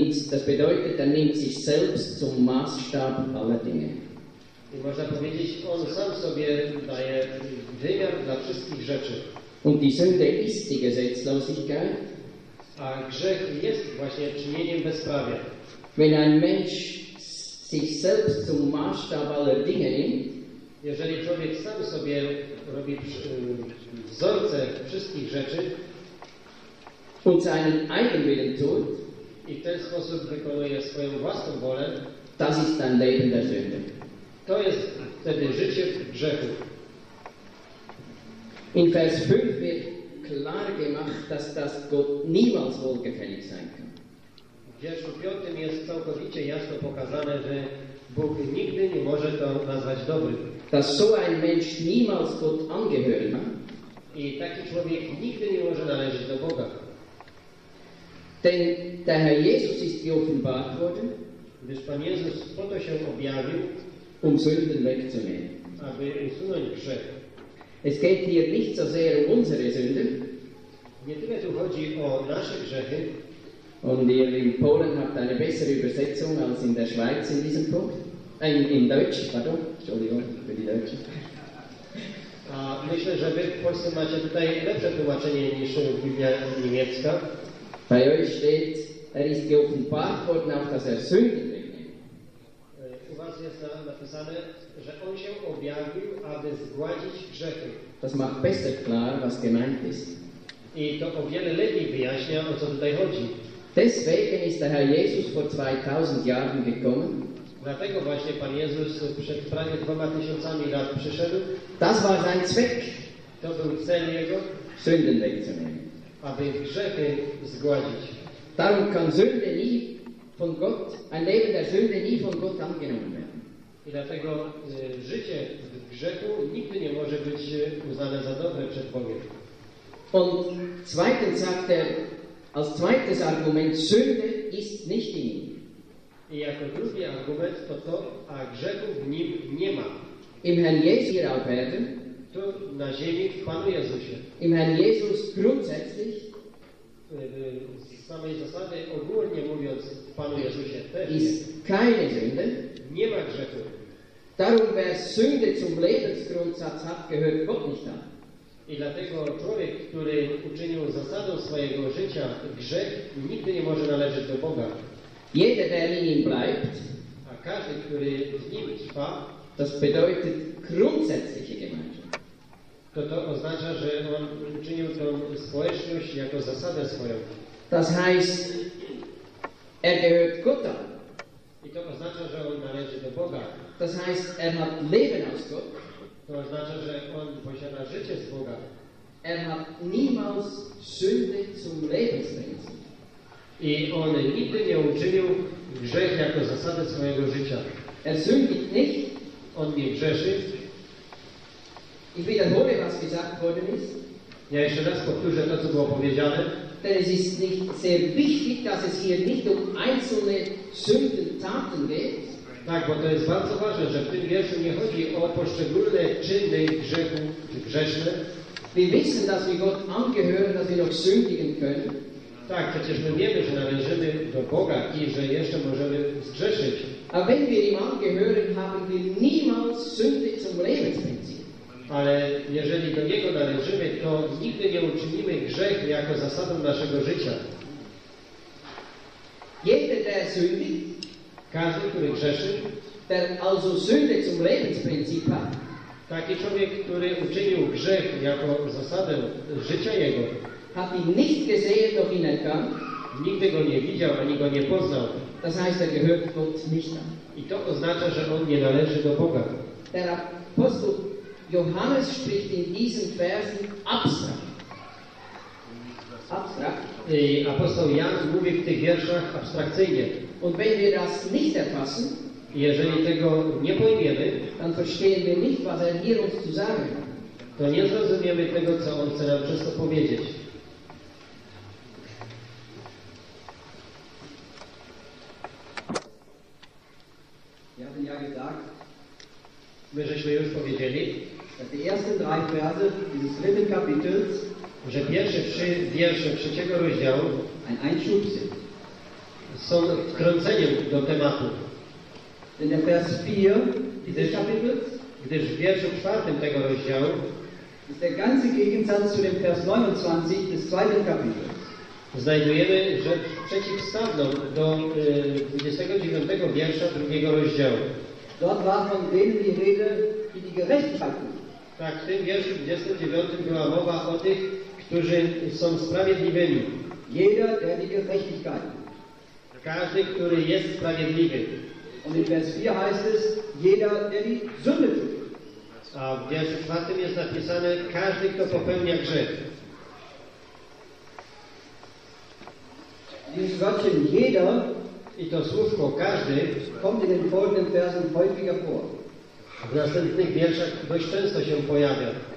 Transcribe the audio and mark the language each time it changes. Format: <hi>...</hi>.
<de>Das bedeutet, er nimmt sich selbst zum Maßstab aller Dinge.</de> <pl>I można powiedzieć, on sam sobie daje wymiar dla wszystkich rzeczy.</pl> <de>Und die Sünde ist die Gesetzlosigkeit.</de> <pl>A grzech jest właśnie czynieniem bezprawia.</pl> <de>Wenn ein Mensch sich selbst zum Maßstab aller Dinge nimmt,</de> <pl>jeżeli człowiek sam sobie robi wzorce wszystkich rzeczy</pl> <de>und seinen Eigenwillen tut,</de> <pl>i w ten sposób wykonuje swoją własną wolę,</pl> <de>das ist ein Leben der Sünde.</de> <pl>To jest wtedy życie grzechu.</pl> <de>In Vers 5 wird klar gemacht, dass das Gott niemals wohlgefällig sein kann.</de> <pl>W wierszu 5 jest całkowicie jasno pokazane, że Bóg nigdy nie może to nazwać dobrym.</pl> <de>Dass so ein Mensch niemals Gott angehören kann.</de> <pl>I taki człowiek nigdy nie może należeć do Boga.</pl> <de>Denn der Herr Jesus ist hier offenbart worden,</de> <pl>gdyż Pan Jezus po to się objawił,</pl> <de>um Sünden wegzunehmen.</de> <pl>Aby usunąć grzech.</pl> <de>Es geht hier nicht so sehr um unsere Sünden.</de> <pl>Nie tyle tu chodzi o nasze grzechy.</pl> <de>Und ihr in Polen habt eine bessere Übersetzung als in der Schweiz in diesem Punkt. In Deutsch, pardon. Entschuldigung, für die Deutsche.</de> <pl>A myślę, że wy w Polsce macie tutaj lepsze tłumaczenie niż Biblia niemiecka.</pl> <de>Bei euch steht, er ist geoffenbart worden, auch dass er Sünden wegnimmt.</de> <pl>U was jest napisane, że on się objawił, aby zgładzić grzechy.</pl> <de>Das macht besser klar, was gemeint ist.</de> <pl>I to o wiele lepiej wyjaśnia, o co tutaj chodzi.</pl> <de>Deswegen ist der Herr Jesus vor 2000 Jahren gekommen.</de> <pl>Dlatego właśnie Pan Jezus przed prawie 2000 lat przyszedł.</pl> <de>Das war sein Zweck.</de> <pl>To był cel jego.</pl> <de>Sünden wegzunehmen.</de> <pl>Aby grzechy zgładzić.</pl> <de>Darum kann Sünde nie von Gott, ein Leben der Sünde nie von Gott angenommen werden.</de> <pl>I dlatego życie w grzechu nigdy nie może być uznane za dobre przed Bogiem.</pl> <de>Und zweitens sagt er, als zweites Argument, Sünde ist nicht in ihm.</de> <pl>I jako drugi argument to to, a grzechu w nim nie ma.</pl> <de>Im Herrn Jesus hier auf Erden,</de> <pl>tu na ziemi w Panu Jezusie.</pl> <de>Im Herrn Jesus grundsätzlich,</de> <pl>z samej zasady ogólnie mówiąc w Panu Jezusie też,</pl> <de>ist keine Sünde,</de> <pl>nie ma grzechu.</pl> <de>Darum, wer Sünde zum Lebensgrundsatz hat, gehört Gott nicht an.</de> <pl>I dlatego człowiek, który uczynił zasadą swojego życia grzech, nigdy nie może należeć do Boga.</pl> <de>Jeder, der in ihm bleibt,</de> <pl>a każdy, który z nim trwa,</pl> <de>das bedeutet grundsätzliche Gemeinschaft.</de> <pl>To oznacza, że on uczynił tą społeczność jako zasadę swoją.</pl> <de>Das heißt, er gehört Gott an.</de> <pl>I to oznacza, że on należy do Boga.</pl> <de>Das heißt, er hat Leben aus Gott.</de> <pl>To oznacza, że on posiada życie z Boga.</pl> <de>Er hat niemals Sünde zum Lebensprinzip.</de> <pl>I on nigdy nie uczynił grzech jako zasadę swojego życia.</pl> <de>Er sündigt nicht.</de> <pl>On nie grzeszy.</pl> <de>Ich wiederhole, was gesagt worden ist.</de> <pl>Ja jeszcze raz powtórzę to, co było powiedziane.</pl> <de>Denn es ist nicht sehr wichtig, dass es hier nicht um einzelne Sündentaten geht.</de> <pl>Tak, bo to jest bardzo ważne, że w tym wierszu nie chodzi o poszczególne czyny grzechu czy grzeszne.</pl> <de>Wir wissen, dass wir Gott angehören, dass wir noch sündigen können.</de> <pl>Tak, przecież my wiemy, że należymy do Boga i że jeszcze możemy zgrzeszyć.</pl> <de>A wenn wir ihm angehören, haben wir niemals Sünde zum Lebensprinzip.</de> <pl>Ale jeżeli do Niego należymy, to nigdy nie uczynimy grzech jako zasadą naszego życia.</pl> <de>Jeder, der sündigt,</de> <pl>każdy, który grzeszy,</pl> <de>ten also Sünde zum Lebensprinzip hat.</de> <pl>Taki człowiek, który uczynił grzech jako zasadę życia jego,</pl> <de>hat ihn nicht gesehen, noch ihn erkannt.</de> <pl>Nigdy go nie widział, ani go nie poznał.</pl> <de>Das heißt, er gehört Gott nicht an.</de> <pl>I to oznacza, że on nie należy do Boga.</pl> <de>Der Apostel Johannes spricht in diesen Versen abstrakt. Abstrakt.</de> <pl>I apostoł Jan mówi w tych wierszach abstrakcyjnie.</pl> <de>Und wenn wir das nicht erfassen,</de> <pl>jeżeli tego nie pojmiemy,</pl> <de>dann verstehen wir nicht, was er hier uns zu sagen hat.</de> <pl>To nie zrozumiemy tego, co on chce nam przez to powiedzieć. Ja bym</pl> <de>ja gesagt,</de> <pl>my żeśmy już powiedzieli,</pl> <de>że die ersten drei Verse dieses dritten Kapitels,</de> <pl>że pierwsze trzy wiersze trzeciego rozdziału,</pl> <de>ein Einschub sind.</de> <pl>Są wkrąceniem do tematu.</pl> <de>Denn der Vers 4 dieses Kapitels,</de> <pl>gdyż w wierszu czwartym tego rozdziału,</pl> <de>ist der ganze Gegensatz zu dem Vers 29 des zweiten Kapitels.</de> <pl>Znajdujemy rzecz przeciwstawną do 29 wiersza drugiego rozdziału.</pl> <de>Dort war von denen die Rede, die die Gerechtigkeit.</de> <pl>Tak, w tym wierszu 29 była mowa o tych, którzy są sprawiedliwymi.</pl> <de>Jeder, der die Gerechtigkeit.</de> <pl>Każdy, który jest sprawiedliwy.</pl> <de>Und in Vers 4 heißt es, jeder, der die Sünde tut.</de> <pl>A w wierszu czwartym jest napisane, każdy, kto popełnia grzech.</pl> <de>Dieses Wörtchen jeder,</de> <pl>i to słówko każdy,</pl> <de>kommt in den folgenden Versen häufiger vor.</de> <pl>W następnych wierszach dość często się pojawia.</pl>